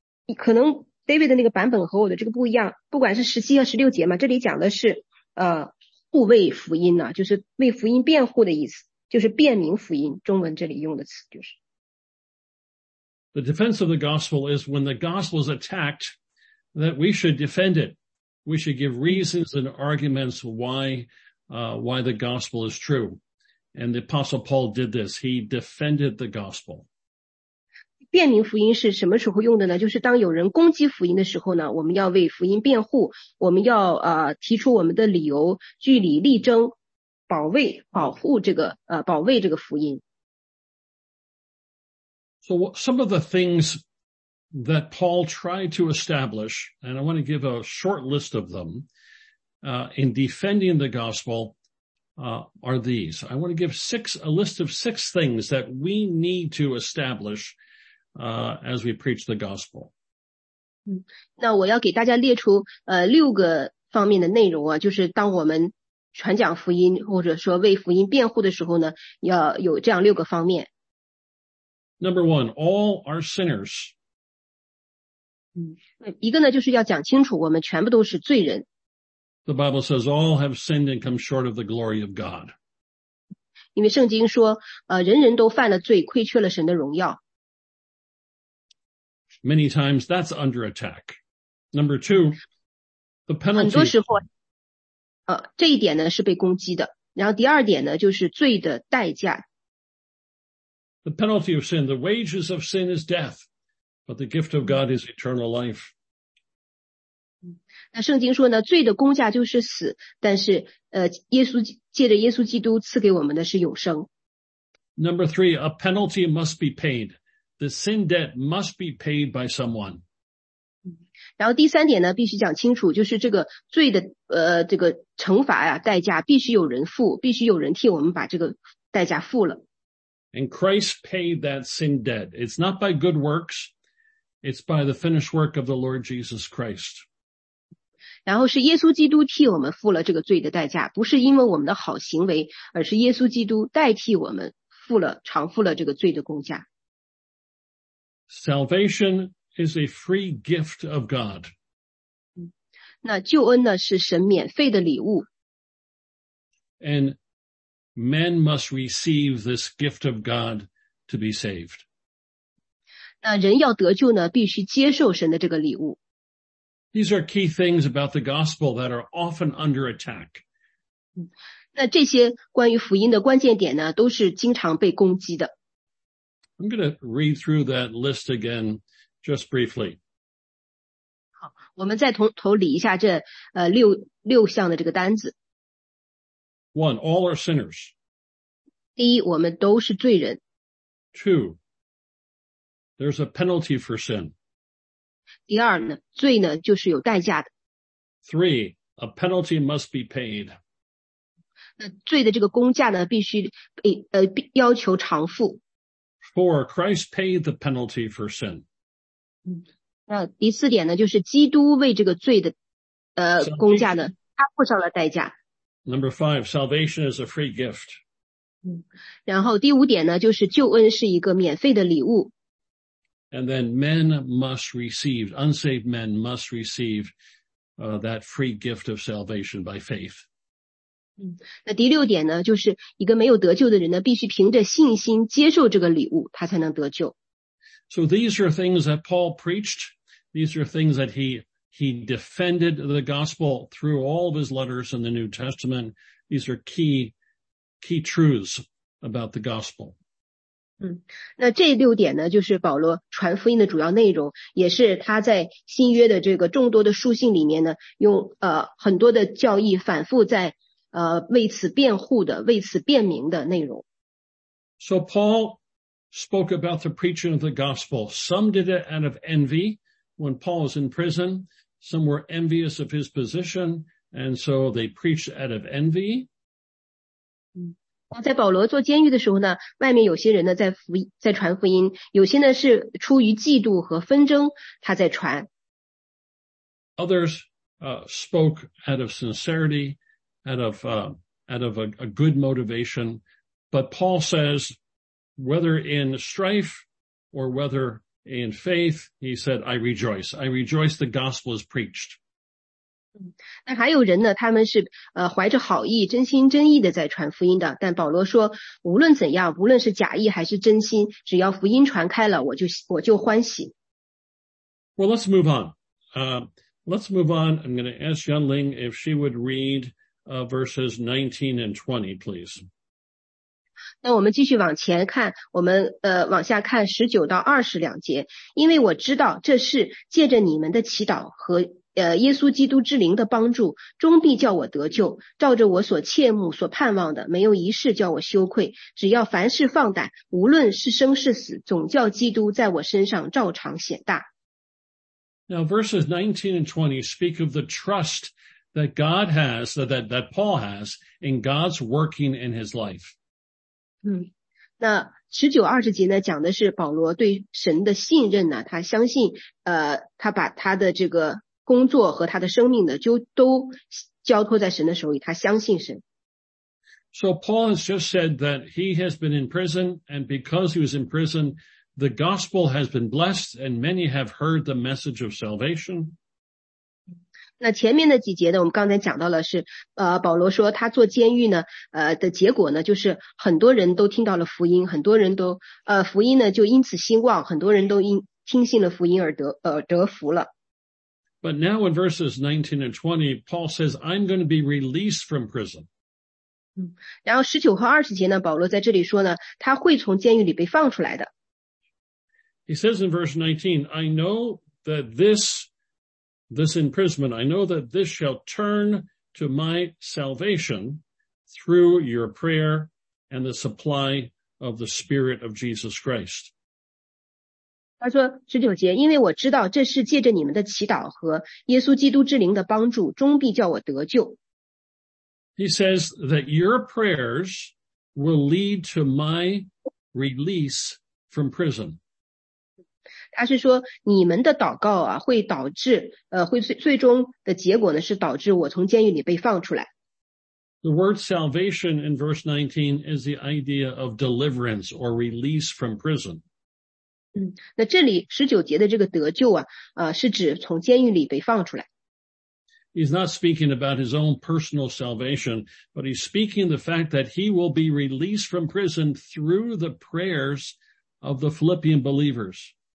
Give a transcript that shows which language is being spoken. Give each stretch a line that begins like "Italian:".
Chinese: 可能 David 的那个版本和我的这个不一样，不管是17和16节嘛，这里讲的是护卫福音呢、啊、就是为福音辩护的意思，就是辩明福音，中文这里用的词就是。
English: The defense of the gospel is when the gospel is attacked, that we should defend it. We should give reasons and arguments why the gospel is true. And the apostle Paul did this. He defended the gospel.
Chinese: 辩明福音是什么时候用的呢？就是当有人攻击福音的时候呢，我们要为福音辩护，我们要提出我们的理由，据理力争。保卫这个福音。
English: So some of the things that Paul tried to establish, and I want to give a short list of them, in defending the gospel, are these. I want to give a list of six things that we need to establish, as we preach the gospel.
Chinese: 嗯，那我要给大家列出六个方面的内容啊，就是当我们传讲福音或者说为福音辩护的时候呢，要有这样六个方面。
English: Number one, all are sinners.
Chinese: 嗯，一个呢就是要讲清楚我们全部都是罪人。
English: The Bible says all have sinned and come short of the glory of God.
Chinese: 因为圣经说人人都犯了罪，亏缺了神的荣耀。
English: Many times that's under attack. Number two, the penalty.
Chinese: 很多时候这一点呢是被攻击的。然后第二点呢就是罪的代价。
English: The penalty of sin, the wages of sin is death, but the gift of God is eternal life.
Chinese: 那圣经说呢，罪的工价就是死，但是借着耶稣基督赐给我们的是永生。
English: Number three, a penalty must be paid. The sin debt must be paid by someone.
Chinese: 然后第三点呢，必须讲清楚，就是这个罪的这个惩罚呀、啊，代价必须有人付，必须有人替我们把这个代价付了。
English: And Christ paid that sin debt. It's not by good works, it's by the finished work of the Lord Jesus Christ.
Chinese: 然后是耶稣基督替我们付了这个罪的代价，不是因为我们的好行为，而是耶稣基督代替我们付了偿付了这个罪的工价。
English: Salvation is a free gift of God.
Chinese: 那救恩呢是神免费的礼物。
English: And men must receive this gift of God to be saved.
Chinese: 那人要得救呢必须接受神的这个礼物。
English: These are key things about the gospel that are often under attack.
Chinese: 那这些关于福音的关键点呢都是经常被攻击的。
English: I'm going to read through that list again. Just briefly.
Chinese: 好，我们再头理一下这六项的这个单子。
English: One, all are sinners.
Chinese: 第一，我们都是罪人。
English: Two, there's a penalty for sin.
Chinese: 第二呢，罪呢就是有代价的。
English: Three, a penalty must be paid.
Chinese: 那罪的这个公价呢，必须要求偿付。
English: Four, Christ paid the penalty for sin.
Chinese: 那第四点呢，就是基督为这个罪的公价呢，他付上了代价。
English: Number five, salvation is a free gift.
Chinese: 然后第五点呢，就是救恩是一个免费的礼物。
English: And then men must receive, unsaved men must receive, that free gift of salvation by faith.
Chinese: 那第六点呢，就是一个没有得救的人呢，必须凭着信心接受这个礼物，他才能得救。
English: So these are things that Paul preached. These are things that he defended the gospel through all of his letters in the New Testament. These are key truths about the gospel.
Chinese: 那这六点呢，就是保罗传福音的主要内容，也是他在新约的这个众多的书信里面呢，用很多的教义反复在为此辩护的，为此辩明的内容。
English: So Paul spoke about the preaching of the gospel. Some did it out of envy when Paul was in prison. Some were envious of his position, and so they preached out of envy.
Chinese: 在保罗坐监狱的时候呢，外面有些人呢在传福音，有些呢是出于嫉妒和纷争，他在传。
English: Others spoke out of sincerity, out of a good motivation, but Paul says, whether in strife or whether in faith, he said, I rejoice. I rejoice the gospel is preached.
Chinese: 那还有人呢，他们是怀着好意，真心真意的在传福音的。但保罗说，无论怎样，无论是假意还是真心，只要福音传开了，我就欢喜。
English: Well, let's move on. Let's move on. I'm going to ask Yan Ling if she would read verses 19 and 20, please.
Chinese: 那我们继续往前看，我们往下看19到20两节，因为我知道这事借着你们的祈祷和耶稣基督之灵的帮助，终必叫我得救，照着我所切慕所盼望的，没有一事叫我羞愧，只要凡事放胆，无论是生是死，总叫基督在我身上照常显大。
English: Now verses 19 and 20 speak of the trust that God has, that Paul has in God's working in his life.
Chinese: 那十九二十节呢，讲的是保罗对神的信任呢，他相信他把他的这个工作和他的生命呢，就都交托在神的手里，他相信神。
English: So Paul has just said that he has been in prison, and because he was in prison, the gospel has been blessed, and many have heard the message of salvation.
Chinese: 那前面的几节呢，我们刚才讲到了是保罗说他坐监狱呢的结果呢，就是很多人都听到了福音，很多人都福音呢就因此兴旺，很多人都因听信了福音而得福了。
English: But now in verses 19 and 20, Paul says, I'm going to be released from prison.
Chinese: 然后19和20节呢，保罗在这里说呢，他会从监狱里被放出来的。
English: He says in verse 19, I know that this imprisonment, I know that this shall turn to my salvation through your prayer and the supply of the Spirit of Jesus Christ.
Chinese: 他说十九节，因为我知道这是借着你们的祈祷和耶稣基督之灵的帮助，终必叫我得救。
English: He says that your prayers will lead to my release from prison.
Chinese: 他是说你们的祷告啊，会导致会最终的结果呢，是导致我从监狱里被放出来。
English: The word salvation in verse 19 is the idea of deliverance or release from prison.
Chinese: 那这里19节的这个得救啊，是指从监狱里被放出来。
English: He's not speaking about his own personal salvation, but he's speaking the fact that he will be released from prison through the prayers of the Philippian believers.